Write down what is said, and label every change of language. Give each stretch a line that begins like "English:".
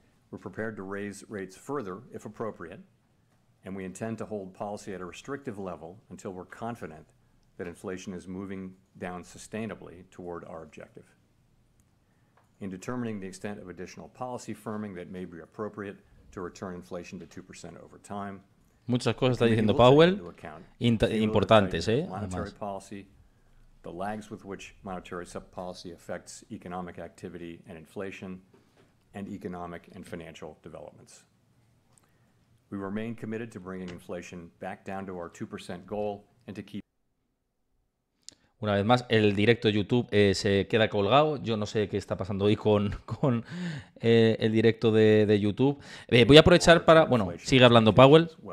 English: We're prepared to raise rates further if appropriate, and we intend to hold policy at a restrictive level until we're confident that inflation is moving down sustainably toward our objective. In determining the extent of additional policy firming that may be appropriate to return inflation to 2% over time,
Spanish: muchas cosas está diciendo Powell, importantes, además.
English: The lags with which monetary policy affects economic activity and inflation, and economic and financial developments. We remain committed to bringing inflation back down to our 2% goal and to keep.
Spanish: Una vez más, el directo de YouTube se queda colgado. Yo no sé qué está pasando hoy con el directo de YouTube. Voy a aprovechar para. Bueno, sigue hablando Powell.